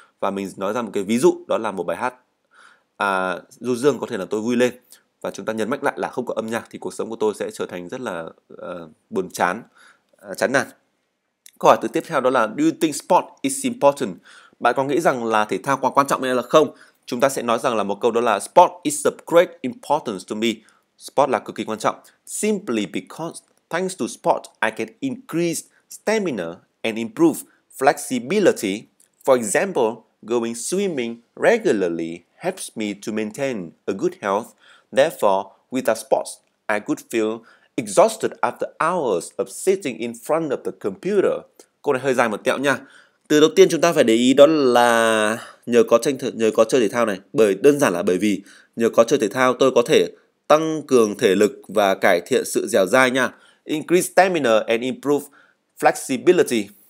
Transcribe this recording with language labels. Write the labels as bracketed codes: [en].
[vi] và mình nói ra một cái ví dụ, đó là một bài hát du dương có thể là tôi vui lên, và chúng ta nhấn mạnh lại là không có âm nhạc thì cuộc sống của tôi sẽ trở thành rất là buồn chán, chán nản. Câu hỏi từ tiếp theo đó là [en] do you think sport is important? [vi] Bạn có nghĩ rằng là thể thao quá quan trọng hay là không? Chúng ta sẽ nói rằng là một câu đó là [en] sport is of great importance to me. [vi] Sport là cực kỳ quan trọng. [en] Simply because thanks to sport I can increase stamina and improve flexibility. For example, going swimming regularly helps me to maintain a good health. Therefore, without sports, I could feel exhausted after hours of sitting in front of the computer. [vi] Câu này hơi dài một tẹo nha. Từ đầu tiên chúng ta phải để ý đó là nhờ có chơi thể thao này. Bởi vì nhờ có chơi thể thao tôi có thể tăng cường thể lực và cải thiện sự dẻo dai nha. [en] Increase stamina and improve flexibility.